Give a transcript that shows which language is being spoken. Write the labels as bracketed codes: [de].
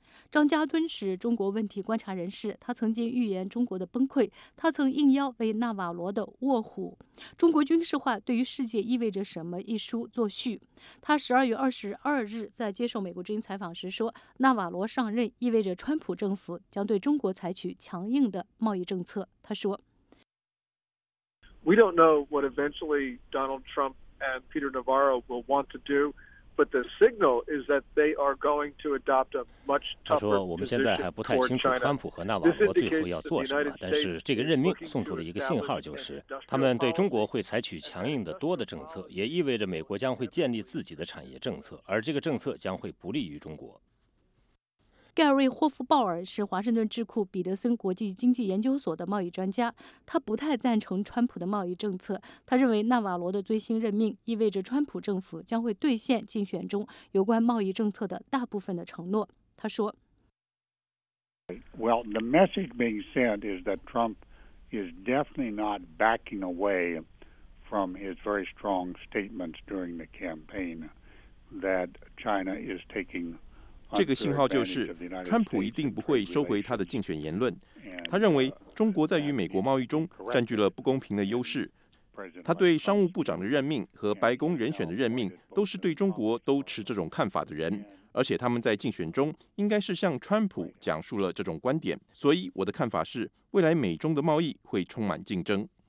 [zh] 张家敦是中国问题观察人士，他曾经预言中国的崩溃，他曾应邀为纳瓦罗的《卧虎：中国军事化对于世界意味着什么》一书作序。他12月22日在接受美国之音采访时说，纳瓦罗上任意味着川普政府将对中国采取强硬的贸易政策。他说 [en] We don't know what eventually Donald Trump and Peter Navarro will want to do. But the signal is that they are going to adopt a much tougher position toward China. [zh] 他说：“我们现在还不太清楚川普和纳瓦罗最后要做什么，但是这个任命送出的一个信号就是，他们对中国会采取强硬的多的政策，也意味着美国将会建立自己的产业政策，而这个政策将会不利于中国。” 盖瑞·霍夫鲍尔是华盛顿智库彼得森国际经济研究所的贸易专家，他不太赞成川普的贸易政策。他认为纳瓦罗的最新任命意味着川普政府将会兑现竞选中有关贸易政策的大部分的承诺。他说 [en] ：“Well, the message being sent is that Trump is definitely not backing away from his very strong statements during the campaign that China is taking.” [zh] 这个信号就是川普一定不会收回他的竞选言论，他认为中国在与美国贸易中占据了不公平的优势，他对商务部长的任命和白宫人选的任命都是对中国都持这种看法的人，而且他们在竞选中应该是向川普讲述了这种观点，所以我的看法是未来美中的贸易会充满竞争。